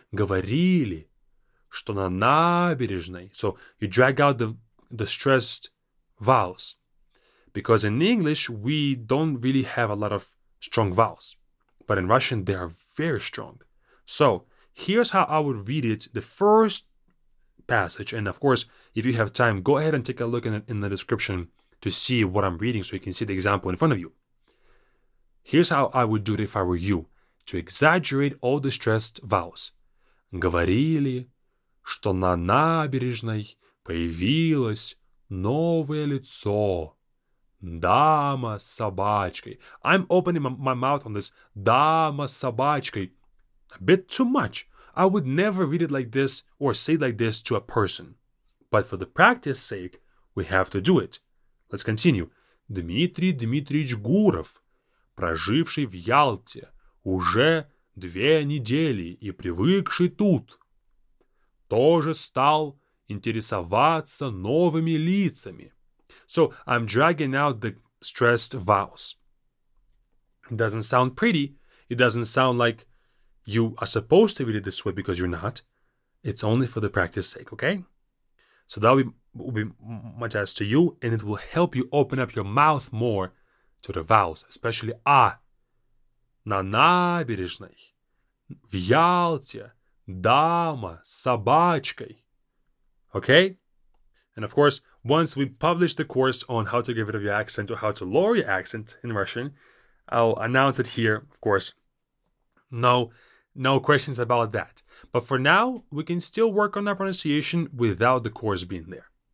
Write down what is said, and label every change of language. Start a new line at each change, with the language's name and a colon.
Russian: Говорили, что на набережной.
English: So you drag out the stressed vowels. Because in English, we don't really have a lot of strong vowels. But in Russian, they are very strong. So here's how I would read it, the first passage. And of course, if you have time, go ahead and take a look in the description to see what I'm reading so you can see the example in front of you. Here's how I would do it if I were you. To exaggerate all the stressed vowels.
Russian: Говорили, что на набережной появилось новое лицо. Дама с собачкой.
English: I'm opening my mouth on this.
Russian: Дама с собачкой.
English: A bit too much. I would never read it like this or say like this to a person. But for the practice sake, we have to do it. Let's continue.
Russian: Дмитрий Дмитриевич Гуров, проживший в Ялте уже две недели и привыкший тут, тоже стал интересоваться новыми лицами.
English: So I'm dragging out the stressed vowels. It doesn't sound pretty. It doesn't sound like you are supposed to read it this way because you're not. It's only for the practice sake, okay? So that will be my task to you, and it will help you open up your mouth more to the vowels, especially A.
Russian: На набережной, в Ялте, дама с собачкой.
English: Okay? And of course, once we publish the course on how to get rid of your accent or how to lower your accent in Russian, I'll announce it here, of course. No questions about that. But for now, we can still work on our pronunciation without the course being there.